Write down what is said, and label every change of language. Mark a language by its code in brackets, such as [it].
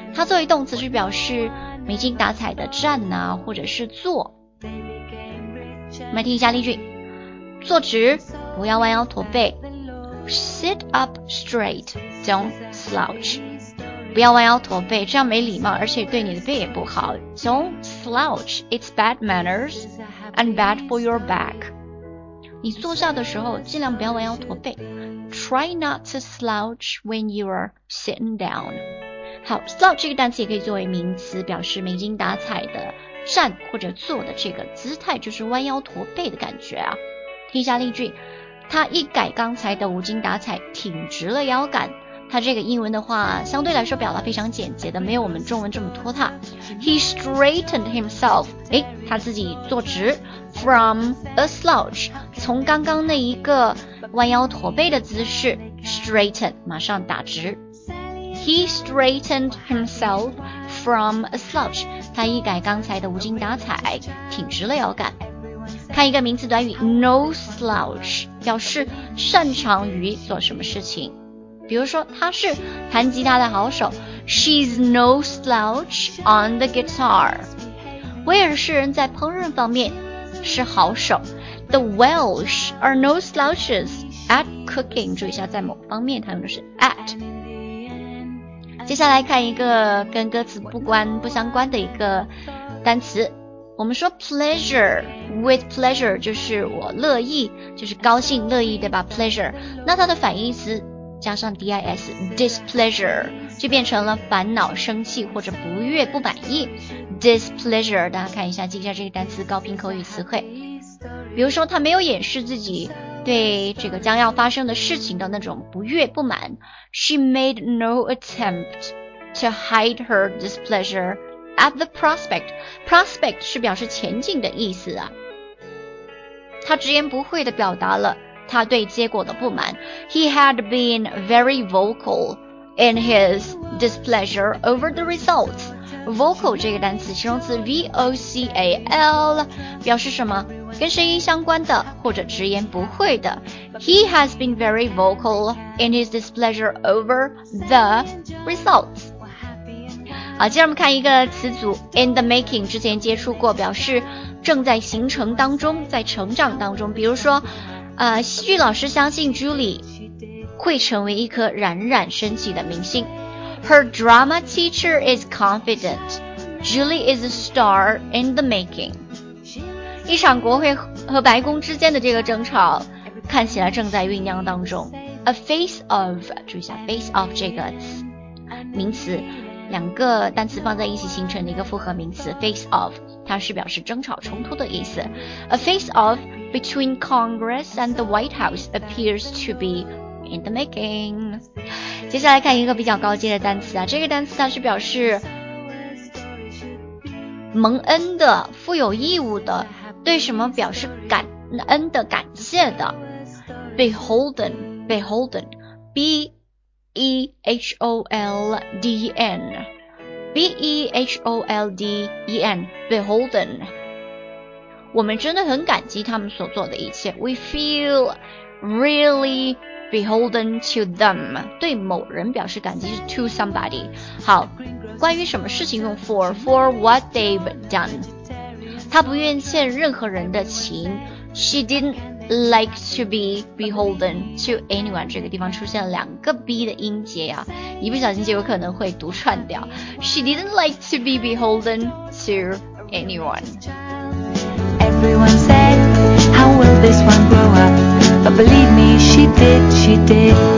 [zh] 它作为动词是表示没精打采的站啊，或者是坐。我们听一下例句：坐直，不要弯腰驼背。 [en] Sit up straight, don't slouch。 [zh] 不要弯腰驼背，这样没礼貌，而且对你的背也不好。 [en] Don't slouch, it's bad manners. And bad for your back. [zh] 你坐下的时候尽量不要弯腰驼背。 [en] Try not to slouch when you are sitting down. [zh] 好， slouch 这个单词也可以作为名词，表示没精打采的站或者坐的这个姿态，就是弯腰驼背的感觉啊。听一下例句，他一改刚才的无精打采，挺直了腰杆。他这个英文的话相对来说表达非常简洁的，没有我们中文这么拖沓。 [en] He straightened himself， [zh] 诶，他自己坐直。 [en] From a slouch， [zh] 从刚刚那一个弯腰驼背的姿势 straighten， 马上打直。 [en] He straightened himself from a slouch， [zh] 他一改刚才的无精打采，挺直了腰杆。看一个名词短语 No slouch， 表示擅长于做什么事情，比如说他是弹吉他的好手。 [en] She's no slouch on the guitar。 [zh] 威尔士人在烹饪方面是好手。 [en] The Welsh are no slouches at cooking。 [zh] 注意一下在某方面他用的是 at。接下来看一个跟歌词不相关的一个单词。我们说 pleasure， with pleasure 就是我乐意，就是高兴乐意，对吧？ pleasure， 那它的反义词加上 dis， displeasure 就变成了烦恼、生气或者不悦、不满意。 displeasure， 大家看一下，记一下这个单词，高频口语词汇。比如说，他没有掩饰自己对这个将要发生的事情的那种不悦、不满。 [en] She made no attempt to hide her displeasure at the prospect. Prospect [zh] 是表示前景的意思啊。他直言不讳地表达了他对结果的不满。 [en] He had been very vocal in his displeasure over the results. [zh] Vocal 这个单词，形容词 V-O-C-A-L， 表示什么？跟声音相关的，或者直言不讳的。 [en] He has been very vocal in his displeasure over the results. [zh] 好，接着我们看一个词组 in the making， 之前接触过，表示正在形成当中，在成长当中。比如说戏剧老师相信 Julie 会成为一颗冉冉升起的明星。 [en] Her drama teacher is confident Julie is a star in the making。 [zh] 一场国会和白宫之间的这个争吵看起来正在酝酿当中。 A face of， 注意一下 face of 这个词名词，两个单词放在一起形成的一个复合名词 face of， 它是表示争吵冲突的意思。 [en] A face of between Congress and the White House appears to be in the making。 [zh] 接下来看一个比较高阶的单词啊，这个单词它是表示蒙恩的，负有义务的，对什么表示感恩的，感谢的。 [en] Beholden， Beholden， B-E-H-O-L-D-E-N， B-E-H-O-L-D-E-N， Beholden。 [zh] 我们真的很感激他们所做的一切。 [en] We feel really beholden to them， [zh] 对某人表示感激是 [en] to somebody。 [zh] 好，关于什么事情用 for， [en] for what they've done。 [zh] 他不愿欠任何人的情。 [en] She didn't like to be beholden to anyone。 [zh] 这个地方出现了两个 be 的音节啊，一不小心就有可能会读串掉。 [en] She didn't like to be beholden to anyone。 Everyone said how will this one grow up， but believe me she did， she did。